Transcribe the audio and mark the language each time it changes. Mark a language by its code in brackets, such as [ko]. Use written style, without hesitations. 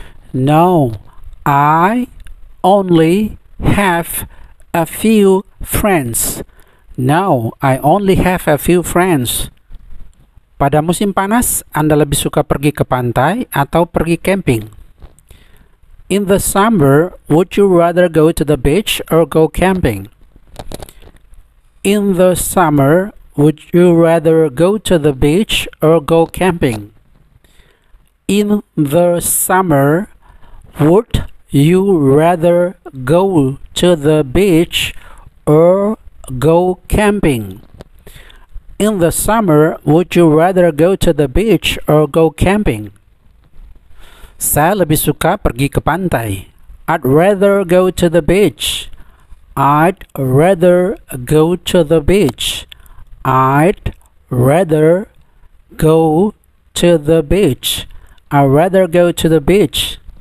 [en] No, I only have a few friends. No, I only have a few friends. [id] Pada musim panas, Anda lebih suka pergi ke pantai atau pergi camping? [en] In the summer, would you rather go to the beach or go camping? In the summer, would you rather go to the beach or go camping? In the summer, would you rather go to the beach or go camping? In the summer, would you rather go to the beach or go camping? [id] Saya lebih suka pergi ke pantai. [en] I'd rather go to the beach. I'd rather go to the beach. I'd rather go to the beach. I'd rather go to the beach.